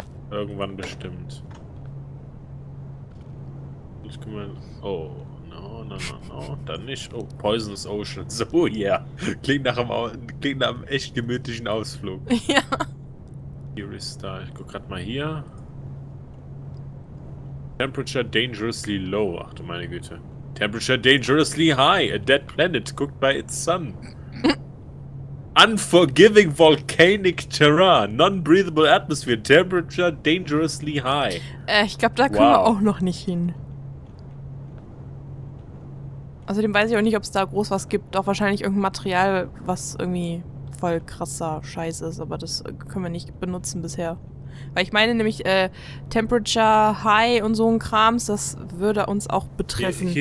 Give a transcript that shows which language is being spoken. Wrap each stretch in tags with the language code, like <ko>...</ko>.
<de>Irgendwann bestimmt. Ich komme.</de> <en>Oh, no.</en> <de>Dann nicht.</de> <en>Oh, Poisonous Ocean. So, yeah.</en> <de>Klingt nach einem echt gemütlichen Ausflug. Ja. Hier ist da. Ich guck gerade mal hier.</de> <en>Temperature dangerously low.</en> <de>Ach du meine Güte.</de> <en>Temperature dangerously high. A dead planet cooked by its sun. Unforgiving volcanic terrain. Non-breathable atmosphere. Temperature dangerously high.</en> <de>Ich glaube, da kommen wir auch noch nicht hin. Außerdem weiß ich auch nicht, ob es da groß was gibt. Auch wahrscheinlich irgendein Material, was irgendwie voll krasser Scheiß ist. Aber das können wir nicht benutzen bisher. Weil ich meine nämlich, Temperature High und so ein Krams, das würde uns auch betreffen.</de>